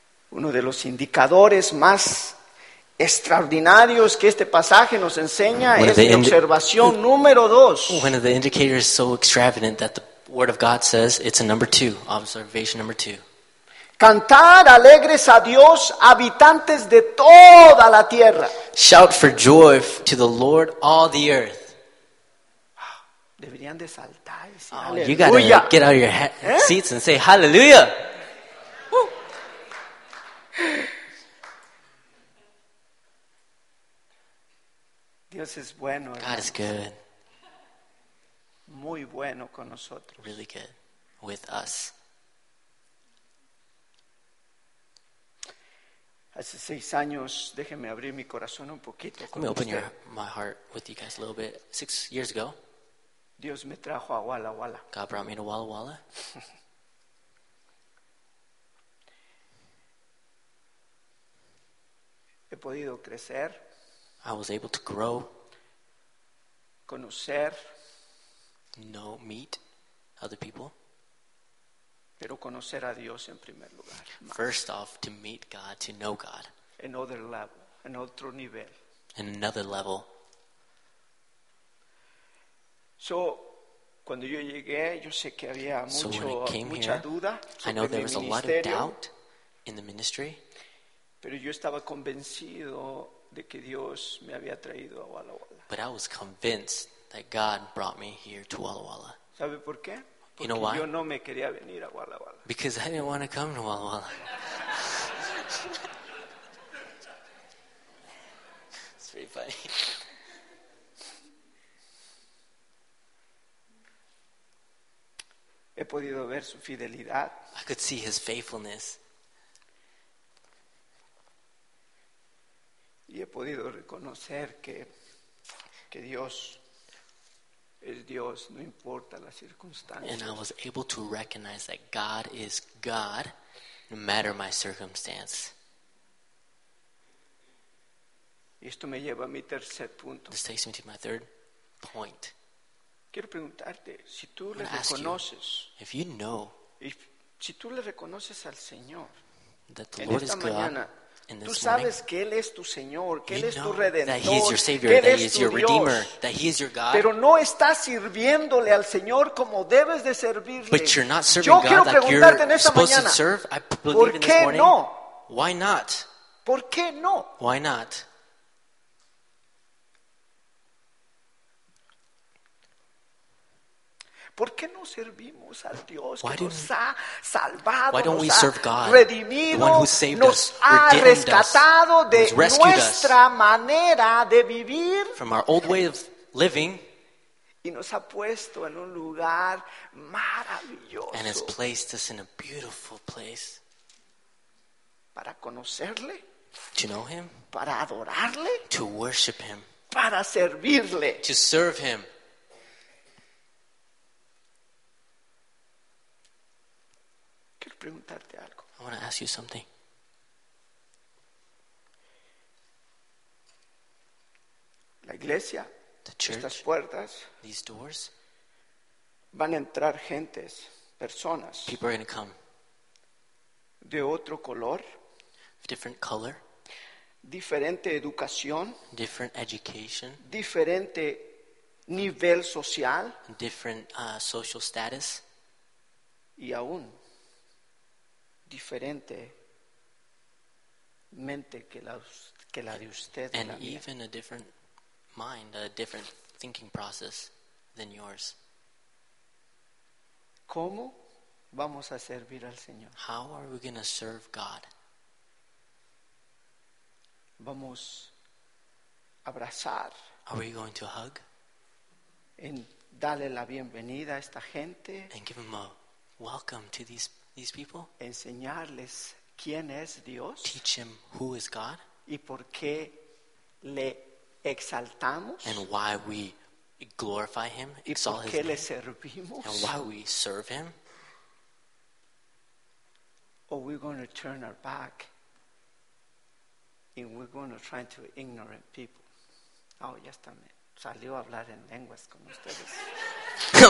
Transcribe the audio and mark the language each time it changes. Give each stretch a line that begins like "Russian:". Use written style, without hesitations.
Spanish: Uno de los indicadores más extraordinarios que este pasaje nos enseña es la observación número dos.
English: One of the indicators so extravagant that the Word of God says it's a number two, observation number two.
Spanish: Cantad alegres a Dios, habitantes de toda la tierra.
English: Shout for joy to the Lord, all the earth.
Spanish: Deberían de saltar y decir,
English: oh, you gotta get out of your seats and say hallelujah.
Spanish: Dios es bueno.
English: God is good.
Spanish: Muy bueno con nosotros.
English: Really good with us.
Spanish: Hace seis años, déjeme abrir mi corazón un poquito.
English: Let me open my heart with you guys a little bit. 6 years ago,
Spanish: Dios me trajo a Walla Walla.
English: God brought me to Walla Walla.
Spanish: He podido crecer.
English: I was able to grow.
Spanish: Conocer.
English: No, meet other people.
Spanish: Pero conocer a Dios en primer lugar.
English: First off, to meet God, to know God. Another level, another nivel. In another level.
Spanish: So, cuando yo llegué, yo sé que había mucho,
English: so when I came
Spanish: mucha
English: here,
Spanish: duda
English: I know there was a lot of doubt in the ministry.
Spanish: Pero yo estaba convencido de que Dios me había traído a Walla Walla.
English: But I was convinced that God brought me here to Walla Walla.
Spanish: ¿Sabe por qué?
English: You know why?
Spanish: Yo no me quería venir a Walla Walla.
English: Because I didn't want to come to Walla Walla. It's pretty funny.
Spanish: He podido ver su fidelidad.
English: I could see his faithfulness.
Spanish: Y he podido reconocer que Dios es Dios, no importa las circunstancias.
English: And I was able to recognize that God is God, no matter my circumstance.
Spanish: Y esto me lleva a mi tercer punto.
English: This takes me to my third point.
Spanish: Quiero preguntarte si tú le reconoces.
English: If you know,
Spanish: si tú le reconoces al Señor,
English: that the Lord is God.
Spanish: Tú sabes que Él es tu Señor, que Él es tu Redentor,
English: that He is your Savior, that He is your Redeemer, that He is your God.
Spanish: Pero no estás sirviéndole al Señor como debes de servirle.
English: But you're not serving God like you're supposed to serve. I believe in this morning.
Spanish: ¿Por qué no?
English: Why not?
Spanish: ¿Por qué no?
English: Why not?
Spanish: ¿Por qué no servimos al Dios que nos ha salvado,
English: why don't we serve God,
Spanish: redimido,
English: the one who saved
Spanish: nos
English: us,
Spanish: ha rescatado
English: us,
Spanish: de nuestra manera de vivir
English: from our old way of living,
Spanish: y nos ha puesto en un lugar maravilloso
English: and has placed us in a beautiful place
Spanish: para conocerle,
English: to know him,
Spanish: para adorarle,
English: to worship him,
Spanish: para servirle,
English: to serve him?
Spanish: Preguntarte algo.
English: I want to ask you something.
Spanish: La iglesia,
English: the church,
Spanish: estas puertas,
English: these doors,
Spanish: van a entrar gentes, personas,
English: people are going to come,
Spanish: de otro color,
English: different color,
Spanish: diferente educación,
English: different education,
Spanish: diferente nivel social,
English: different social status,
Spanish: y aún diferente mente que la de usted,
English: and even a different mind, a different thinking process than yours.
Spanish: ¿Cómo vamos a servir al Señor?
English: How are we going to serve God?
Spanish: Vamos a abrazar.
English: Are we going to hug?
Spanish: En darle la bienvenida a esta gente.
English: And give them a welcome to these people,
Spanish: enseñarles quién es Dios,
English: teach him who is God,
Spanish: y por qué le exaltamos,
English: and why we glorify him,
Spanish: y
English: exalt
Spanish: por qué
English: his name,
Spanish: le servimos,
English: and why we serve him, or we're going to turn our back and we're going to try to ignorant people.
Spanish: Oh, ya está, me salió a hablar en lenguas con ustedes.